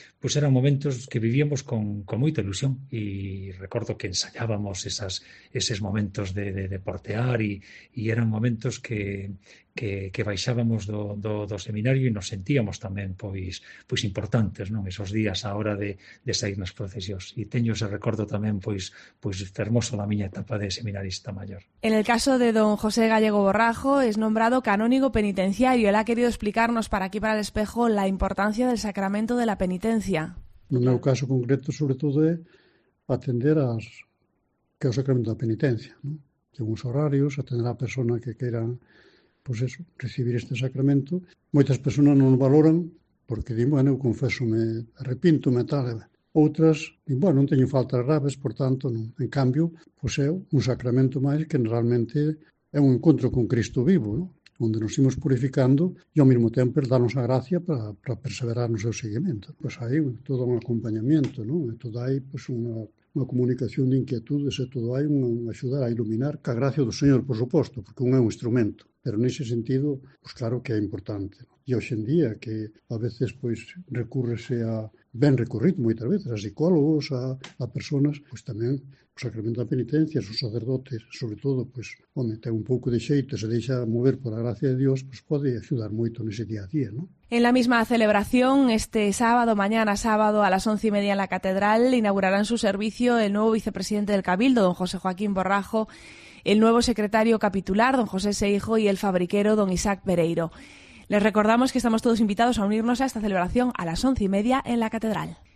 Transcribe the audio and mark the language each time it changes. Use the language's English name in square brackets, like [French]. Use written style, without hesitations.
[Galician] Pois eran momentos que vivíamos con moita ilusión, e recordo que ensaiábamos eses momentos de portear, e eran momentos que baixábamos do seminario e nos sentíamos tamén pois importantes, non, esos días á hora de sair nas procesións. E teño ese recordo tamén pois fermoso da miña etapa de seminarista maior. [Spanish] En el caso de don José Gallego Borrajo, es nombrado canónigo penitenciario. Él ha querido explicarnos para aquí, para el espejo, la importancia del sacramento de la penitencia. [Galician] No meu caso concreto, sobre todo, é atender as que é o sacramento da penitencia, non? Ten uns horarios, atender a persona que queira, pois eso, recibir este sacramento. Moitas personas non o valoran porque din, bueno, eu confeso, me arrepinto, me tal. Outras, din, bueno, non teño faltas graves, por tanto, non. En cambio, pois é un sacramento máis que realmente é un encontro con Cristo vivo, non? Onde nos imos purificando e ao mesmo tempo darnos a gracia para perseverar no seu seguimento. Pois aí todo un acompañamento, non? E todo aí pois unha comunicación de inquietudes e todo aí unha axudar a iluminar ca gracia do Señor, por suposto, porque un é un instrumento. Pero nese sentido, pois claro que é importante. E hoxendía que a veces pois recúrrese a ben recurrido moitas veces a psicólogos, a personas, pois tamén o sacramento da penitencia, os sacerdotes, sobre todo, pois, home, ten un pouco de xeito, se deixa mover pola gracia de Dios, pois pode axudar moito nese día a día, non? [Spanish] En la misma celebración, este sábado, mañana sábado, a las 11:30 en la catedral, inaugurarán su servicio el nuevo vicepresidente del Cabildo, don José Joaquín Borrajo, el nuevo secretario capitular, don José Seijo, y el fabriquero, don Isaac Pereiro. Les recordamos que estamos todos invitados a unirnos a esta celebración a las 11:30 en la catedral.